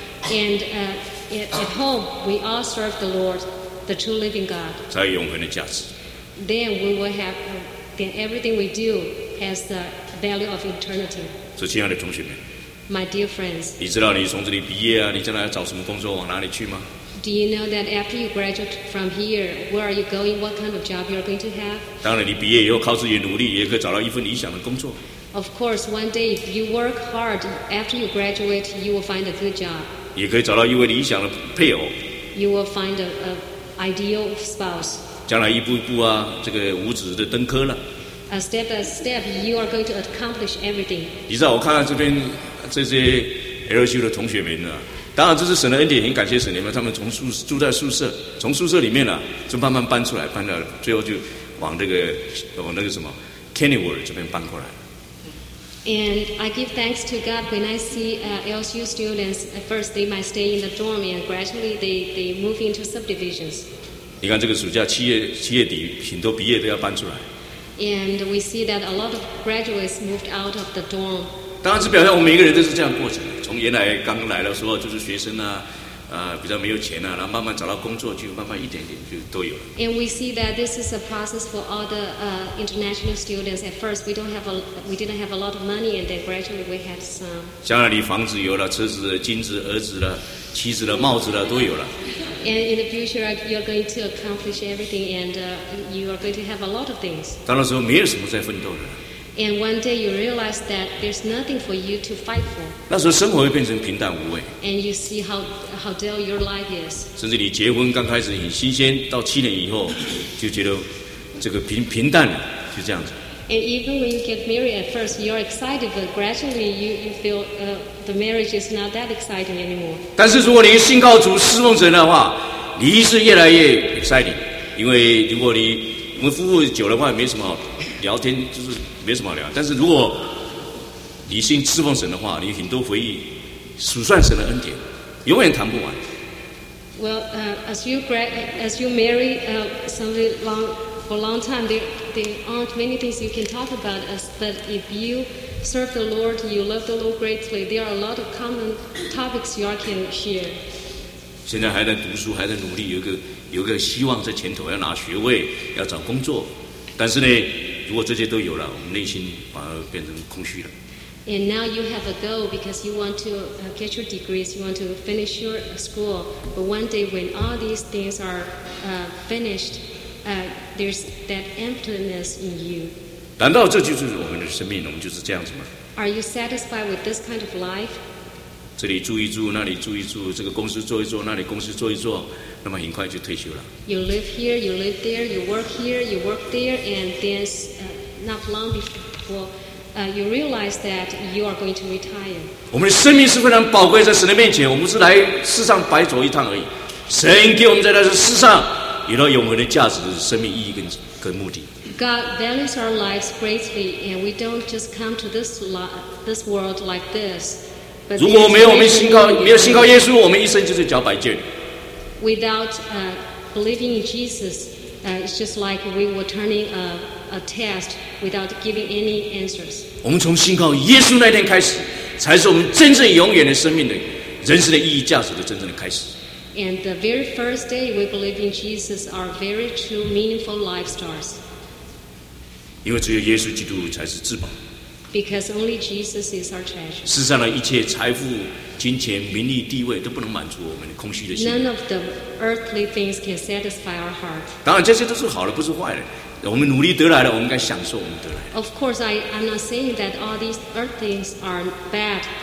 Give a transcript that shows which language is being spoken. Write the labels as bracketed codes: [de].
[en] And at home, we all serve the Lord, the true living God. [zh] 才有永恒的价值。 [en] Then we will have. Then everything we do. Has the value of eternity. [zh] 所以，亲爱的同学们 [en] ，My dear friends， [zh] 你知道你从这里毕业啊，你将来要找什么工作，往哪里去吗 [en] ？Do you know that after you graduate from here, where are you going? What kind of job you are going to have? [zh] 当然，你毕业以后靠自己努力，也可以找到一份理想的工作。 [en] Of course, one day if you work hard, after you graduate, you will find a good job. [zh] 也可以找到一位理想的配偶。 [en] You will find a ideal spouse. [zh] 将来一步一步啊，这个五指的登科了。 [en] Step by step, you are going to accomplish everything. [zh] 你知道我看到这边这些 LSU 的同学们呢、啊，当然这是神的恩典，很感谢神，因为他们从住在宿舍，从宿舍里面呢、啊，就慢慢搬出来，搬到最后就往这个往那个什么 Kennywood 这边搬过来。 [en] And I give thanks to God when I see LSU students. At first, they might stay in the dorm, and gradually they move into subdivisions. [zh] 你看这个暑假七月底，很多毕业都要搬出来。 [en] And we see that a lot of graduates moved out of the dorm. [zh] 当然是表现我们每个人都是这样过程，从原来刚来的时候就是学生啊，比较没有钱啊，然后慢慢找到工作，就慢慢一点点就都有了。 [en] And we see that this is a process for all the international students. At first, we didn't have a lot of money, and then gradually we had some. [zh] 将来你房子有了，车子、金子、儿子了。妻子的帽子的都有了。 [en] And in the future, you're going to accomplish everything, and you are going to have a lot of things. [zh] 当那时候没有什么在奋斗的。 [en] And one day you realize that there's nothing for you to fight for. [zh] 那时候生活会变成平淡无味。 [en] And you see how dull your life is. [zh] 甚至你结婚刚开始很新鲜，到七年以后就觉得这个平淡了，就这样子。 [en] And even when you get married at first, you're excited, but gradually you feel the marriage is not that exciting anymore. [zh] 但是如果你信靠主、侍奉神的话，你是越来越 exciting， 因为如果你我们夫妇久的话，没什么好聊天，就是没什么好聊。但是如果你信侍奉神的话，你很多回忆数算神的恩典，永远谈不完。 [en] Well, as you marry somebody for a long time, there aren't many things you can talk about. But if you serve the Lord, you love the Lord greatly, there are a lot of common topics you can share. [zh] 现在还在读书，还在努力，有个希望在前头，要拿学位，要找工作。但是呢，如果这些都有了，我们内心反而变成空虚了。 [en] And now you have a goal because you want to get your degrees, you want to finish your school. But one day when all these things are finished. There's that emptiness in you. [zh] 难道这就是我们的生命？我们就是这样子吗 [en] ？Are you satisfied with this kind of life? [zh] 这里住一住，那里住一住，这个公司做一做，那里公司做一做，那么很快就退休了。 [en] You live here, you live there, you work here, you work there, and then not long before you realize that you are going to retire. [zh] 我们的生命是非常宝贵，在神的面前，我们是来世上白走一趟而已。神给我们在这世上。有了永恒的价值、生命意义跟目的。 [en] God values our lives greatly, and we don't just come to this world like this. [zh] 如果没有我们信靠，没有信靠耶稣，我们一生就是脚白卷。 [en] Without believing in Jesus, it's just like we were turning a test without giving any answers. [zh] 我们从信靠耶稣那天开始，才是我们真正永远的生命的、人生的意义、价值的真正的开始。 [en] And the very first day we believe in Jesus, our very true, meaningful life starts. [zh] 因为只有耶稣基督才是至宝。 [en] Because only Jesus is our treasure. [zh] 世上的一切财富、金钱、名利、地位都不能满足我们空虚的心。 [en] None of the earthly things can satisfy our heart. [zh] 当然，这些都是好的，不是坏的。我们努力得来的，我们该享受我们得来的。 [en] Of course, I'm not saying that all these earth things are bad.